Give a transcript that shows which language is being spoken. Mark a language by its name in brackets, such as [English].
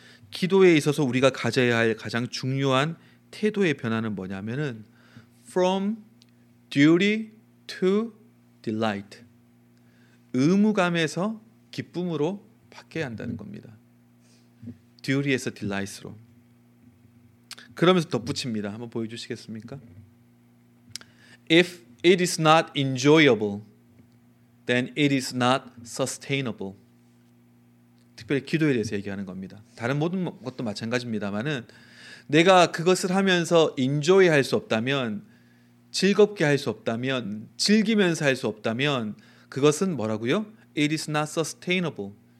[Korean] 기도에 있어서 우리가 가져야 할 가장 중요한 태도의 변화는 뭐냐면은 [English] from duty to delight, [Korean] 의무감에서 기쁨으로 바뀌어야 한다는 겁니다. duty에서 delight으로. 그러면서 덧붙입니다. 한번 보여주시겠습니까? [English] If it is not enjoyable, then it is not sustainable. [Korean] 특별히 기도에 대해서 얘기하는 겁니다. 다른 모든 것도 마찬가지입니다만은 내가 그것을 하면서 enjoy 할 수 없다면, 즐겁게 할 수 없다면, 즐기면서 할 수 없다면 그것은 뭐라고요? [English] It is not sustainable.